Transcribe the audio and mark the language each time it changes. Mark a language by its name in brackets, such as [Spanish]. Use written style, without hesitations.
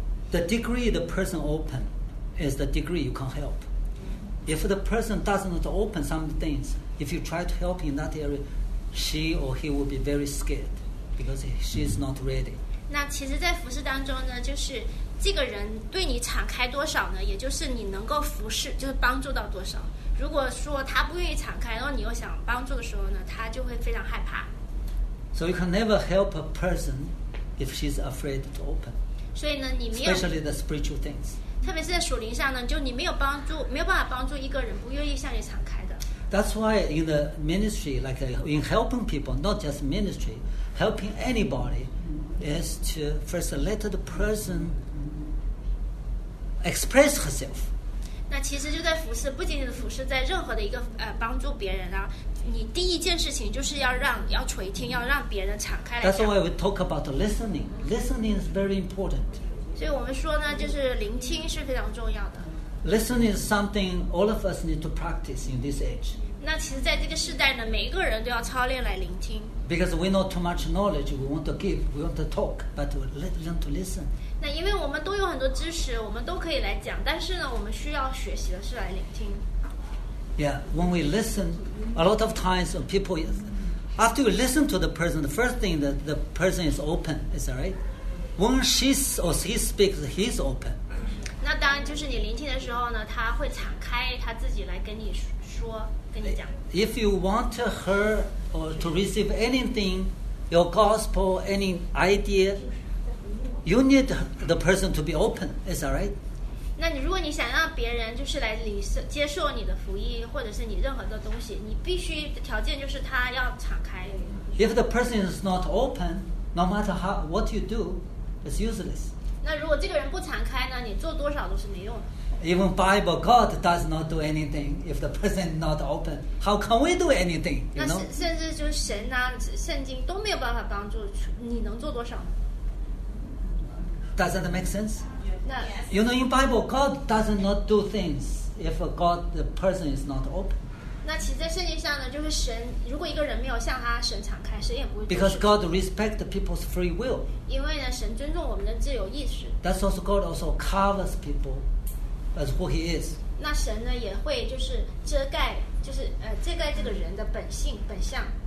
[English] The degree the person open is the degree you can help. Mm-hmm. If the person doesn't open some things, if you try to help in that area. She or he will be very scared because she is not ready. [Chinese] 那其实，在服侍当中呢，就是这个人对你敞开多少呢？也就是你能够服侍，就是帮助到多少。如果说他不愿意敞开，然后你又想帮助的时候呢，他就会非常害怕。 [English] So you can never help a person if she's afraid to open. [Chinese] 所以呢，你没有 [English] especially the spiritual things. [Chinese] 特别是在属灵上呢，就你没有帮助，没有办法帮助一个人不愿意向你敞开。 [English] That's why in the ministry, like in helping people, not just ministry, helping anybody is to first let the person express herself. [Chinese] 那其实就在服侍，不仅仅的服侍，在任何的一个帮助别人啊，你第一件事情就是要垂听，要让别人敞开来。 [English] That's why we talk about listening. Listening is very important. [Chinese] 所以我们说呢，就是聆听是非常重要的。 [English] Listening is something all of us need to practice in this age. [Chinese] 那其实在这个时代呢，每一个人都要操练来聆听。 [English] Because we know too much knowledge, we want to give, we want to talk, but we learn to listen. [Chinese] 那因为我们都有很多知识，我们都可以来讲，但是呢，我们需要学习的是来聆听。 [English] Yeah, when we listen, a lot of times people, after you listen to the person, the first thing that the person is open, is that right? When she or he speaks, he's open. [Chinese] 那当然就是你聆听的时候呢，他会敞开他自己来跟你说跟你讲。 [English] If you want her or to receive anything your gospel, any idea, you need the person to be open. Is that right? [Chinese] 那你如果你想让别人就是来接受你的福音或者是你任何的东西，你必须的条件就是他要敞开。 [English] If the person is not open, no matter how what you do, it's useless. [Chinese] 那如果这个人不敞开呢？你做多少都是没用的。 [English] Even Bible, God does not do anything if the person is not open. How can we do anything? You know? [Chinese] 那甚至就是神啊，圣经都没有办法帮助，你能做多少？ [English] Does that make sense? Yes. You know, in Bible, God does not do things if God, the person is not open. [Chinese] 那其实在圣经上呢，就是神，如果一个人没有向他神敞开，神也不会。 [English] Because God respects people's free will. [Chinese] 因为呢，神尊重我们的自由意识。 [English] That's also God also covers people. As who he is. [Chinese] 那神呢也会就是遮盖，就是遮盖这个人的本性本相。